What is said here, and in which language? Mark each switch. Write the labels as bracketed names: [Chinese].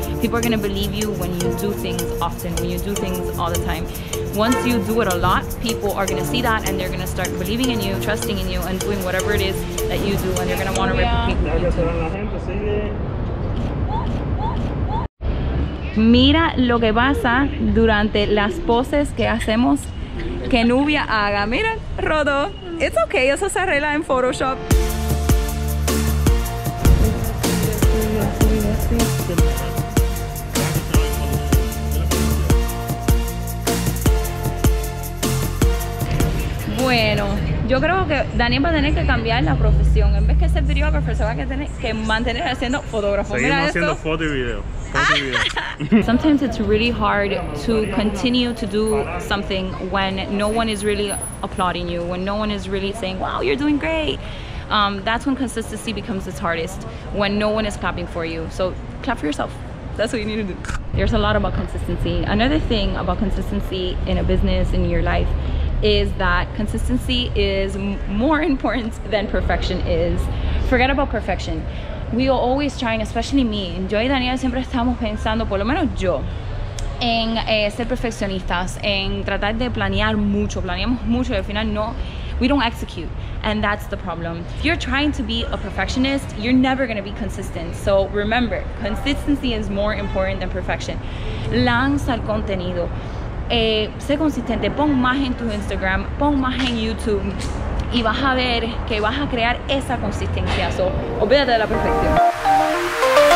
[English] People are gonna believe you when you do things often, when you do things all the time. Once you do it a lot, people are gonna see that and they're gonna start believing in you, trusting in you, and doing whatever it is that you do, and they're gonna wanna replicate what you do. [Spanish] Mira lo que pasa durante las poses que hacemos que Nubia haga. Mira, rodó. [English] It's okay, [Spanish] eso se arregla en Photoshop. Bueno, yo creo que Daniel va a tener que cambiar la profesión. En vez de ser videógrafo, se va a tener que mantener haciendo fotógrafo. Seguimos haciendo fotos y videos. [English] Sometimes it's really hard to continue to do something when no one is really applauding you, when no one is really saying, wow, you're doing great. That's when consistency becomes its hardest, when no one is clapping for you. So clap for yourself. That's what you need to do. There's a lot about consistency. Another thing about consistency in a business, in your life, is that consistency is more important than perfection is. Forget about perfection. We are always trying, especially me, [Spanish] yo y Daniela siempre estamos pensando, por lo menos yo, en ser perfeccionistas, en tratar de planear mucho, planeamos mucho y al final no, [English] we don't execute. And that's the problem. If you're trying to be a perfectionist, you're never gonna be consistent. So remember, consistency is more important than perfection. [Spanish] Lanza el contenido. Sé consistente, pon más en tu Instagram, pon más en YouTube y vas a ver que vas a crear esa consistencia. So, olvídate de la perfección.